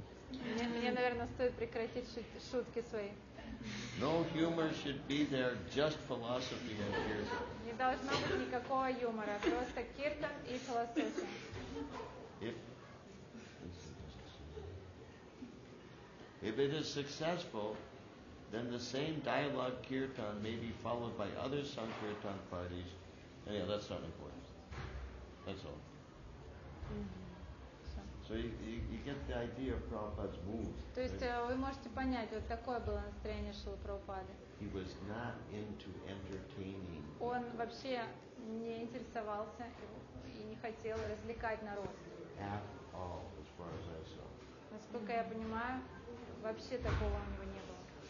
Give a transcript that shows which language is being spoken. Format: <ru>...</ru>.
<ru>Мне, наверное, стоит прекратить шутки свои.</ru> <en>No humor should be there, just philosophy and kirtan.</en> <ru>Не должно быть никакого юмора, просто киртан и философия.</ru> <en>If it is successful, then the same dialogue kirtan may be followed by other sankirtan parties. Anyhow, that's not important. That's all. So you get the idea of Prabhupada's mood.</en> <ru>То есть вы можете понять, вот такое было настроение Шрилы Прабхупады.</ru> <en>He was not into entertaining.</en> <ru>Он вообще не интересовался и не хотел развлекать народ.</ru> <en>At all, as far as I saw.</en> <ru>Насколько я понимаю, вообще такого у него не было.</ru>